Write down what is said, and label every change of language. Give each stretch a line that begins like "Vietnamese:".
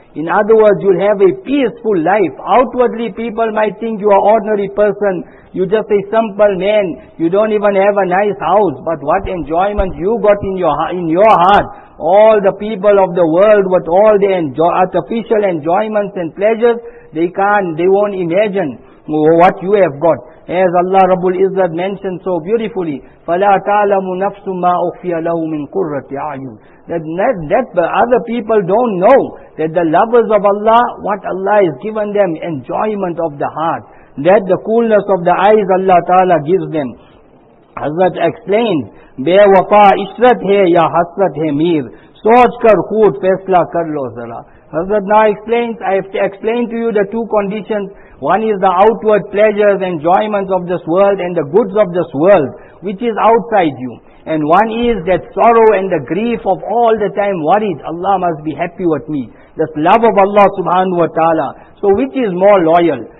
English: In other words, you'll have a peaceful life. Outwardly, people might think you are an ordinary person. You're just a simple man. You don't even have a nice house. But what enjoyment you got in your heart. All the people of the world with all the artificial enjoyments and pleasures, they won't imagine what you have got. As Allah Rabbul Izzat mentioned so beautifully,
Arabic: فَلَا تَعْلَمُ نَفْسُ مَا أُخْفِيَ لَهُ مِنْ قُرَّةِ عَيُّ.
English: That other people don't know that the lovers of Allah, what Allah has given them, enjoyment of the heart, that the coolness of the eyes Allah Ta'ala gives them. Hazrat explained,
Urdu: بے وفا عشرت ہے یا حسرت ہے میر, سوچ کر خود فیصلہ کر لو ذرا.
English: Hazrat now explains, I have to explain to you the two conditions. One is the outward pleasures, enjoyments of this world and the goods of this world, which is outside you. And one is that sorrow and the grief of all the time worried, Allah must be happy with me. This love of Allah subhanahu wa ta'ala. So which is more loyal?